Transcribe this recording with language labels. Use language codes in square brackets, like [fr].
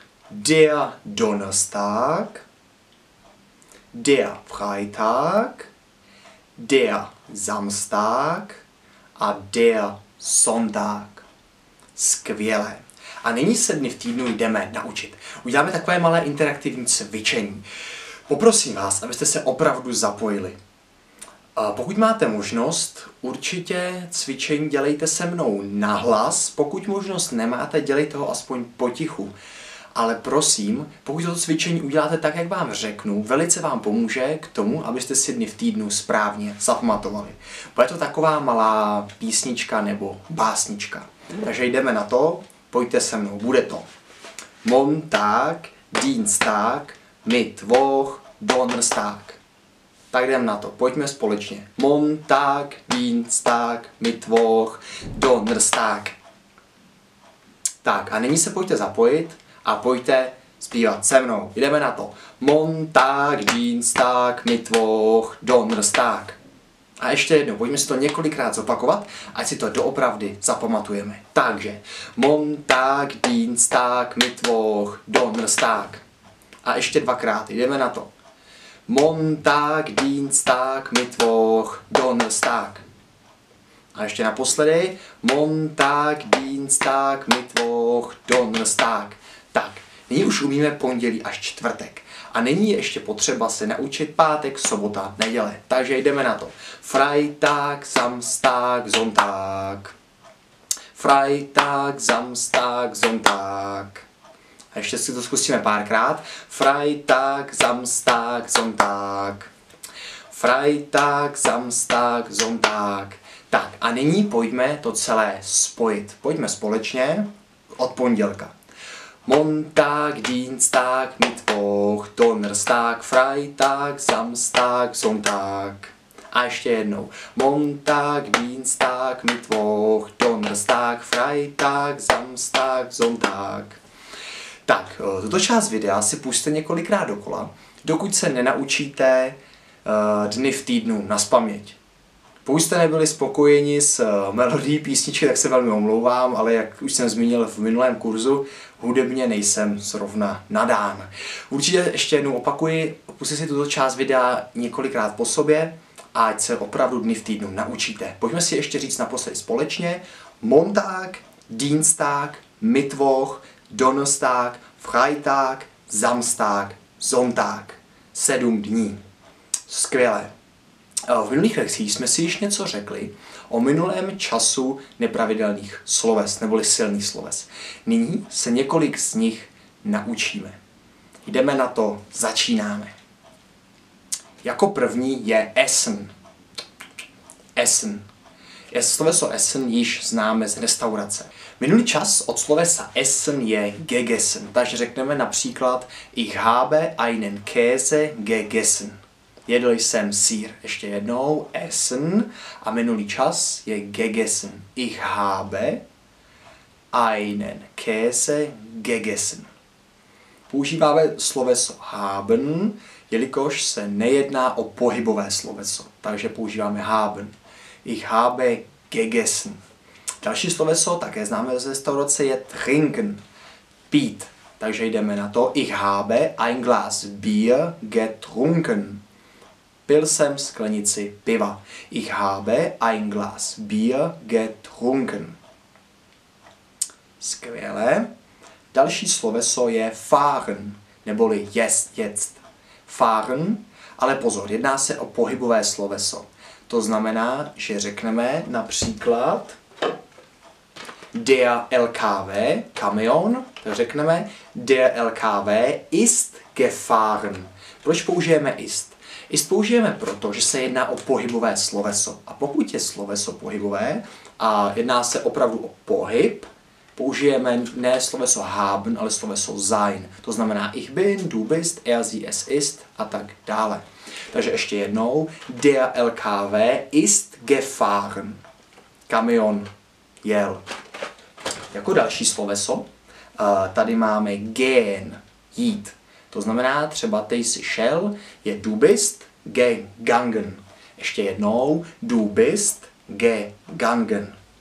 [de] Der Donnerstag, der Freitag, der Samstag a der Sonntag. [cs] Skvělé. A nyní se dny v týdnu jdeme naučit. Uděláme takové malé interaktivní cvičení. Poprosím vás, abyste se opravdu zapojili. Pokud máte možnost, určitě cvičení dělejte se mnou nahlas. Pokud možnost nemáte, dělejte ho aspoň potichu. Ale prosím, pokud toto cvičení uděláte tak, jak vám řeknu, velice vám pomůže k tomu, abyste si dny v týdnu správně zapamatovali. Bude to taková malá písnička nebo básnička. Takže jdeme na to, pojďte se mnou, bude to. [de] Montag, Dienstag, Mittwoch, Donnerstag. [cs] Tak jdeme na to, pojďme společně. [de] Montag, Dienstag, Mittwoch, Donnerstag. [cs] Tak a nyní se pojďte zapojit. A pojďte zpívat se mnou. Jdeme na to. [de] Montag, Dienstag, Mittwoch, Donnerstag. [cs] A ještě jednou, pojďme si to několikrát zopakovat, ať si to doopravdy zapamatujeme. Takže. [de] Montag, Dienstag, Mittwoch, Donnerstag. [cs] A ještě dvakrát. Jdeme na to. [de] Montag, Dienstag, Mittwoch, Donnerstag. [cs] A ještě naposledy. [de] Montag, Dienstag, Mittwoch, Donnerstag. [cs] Tak, nyní už umíme pondělí až čtvrtek. A nyní ještě potřeba se naučit pátek, sobota, neděle. Takže jdeme na to. [de] Freitag, Samstag, Sonntag. Freitag, Samstag, Sonntag. [cs] A ještě si to zkusíme párkrát. [de] Freitag, Samstag, Sonntag. Freitag, Samstag, Sonntag. [cs] Tak, a nyní pojďme to celé spojit. Pojďme společně od pondělka. [de] Montag, Dienstag, Mittwoch, Donnerstag, Freitag, Samstag, Sonntag. [cs] A ještě jednou. [de] Montag, Dienstag, Mittwoch, Donnerstag, Freitag, Samstag, Sonntag. [cs] Tak, tuto část videa si pusťte několikrát dokola, dokud se nenaučíte dny v týdnu nazpaměť. Pokud jste nebyli spokojeni s melodií písničky, tak se velmi omlouvám, ale jak už jsem zmínil v minulém kurzu, hudebně nejsem zrovna nadán. Určitě ještě jednou opakuji, pustit si tuto část videa několikrát po sobě, ať se opravdu dny v týdnu naučíte. Pojďme si ještě říct naposledy společně. [de] Montag, Dienstag, Mittwoch, Donnerstag, Freitag, Samstag, Sonntag. [cs] 7 dní. Skvělé. V minulých lekcích jsme si již něco řekli o minulém času nepravidelných sloves, neboli silných sloves. Nyní se několik z nich naučíme. Jdeme na to, začínáme. Jako první je Essen. Essen. Sloveso Essen již známe z restaurace. Minulý čas od slovesa Essen je gegessen, takže řekneme například [de] Ich habe einen Käse gegessen. [cs] Jedl jsem sýr. Ještě jednou, essen. A minulý čas je gegessen. [de] Ich habe einen Käse gegessen. [cs] Používáme sloveso haben, jelikož se nejedná o pohybové sloveso. Takže používáme haben. [de] Ich habe gegessen. [cs] Další sloveso, také známe z restaurace, je trinken. Pít. Takže jdeme na to. [de] Ich habe ein Glas Bier getrunken. [cs] Pil jsem sklenici piva. [de] Ich habe ein Glas Bier getrunken. [cs] Skvělé. Další sloveso je fahren, neboli jezt. Fahren, ale pozor, jedná se o pohybové sloveso. To znamená, že řekneme například der LKW, kamion, tak řekneme [de] der LKW ist gefahren. [cs] Proč použijeme ist? I použijeme proto, že se jedná o pohybové sloveso. A pokud je sloveso pohybové a jedná se opravdu o pohyb, použijeme ne sloveso haben, ale sloveso sein. To znamená [de] ich bin, du bist, er, sie, es ist [cs] a tak dále. Takže ještě jednou, [de] der LKW ist gefahren. [cs] Kamion jel. Jako další sloveso, tady máme gehen, jít. To znamená třeba ty jsi šel, je [de] du bist gegangen. [cs] Ještě jednou, [de] du bist gegangen.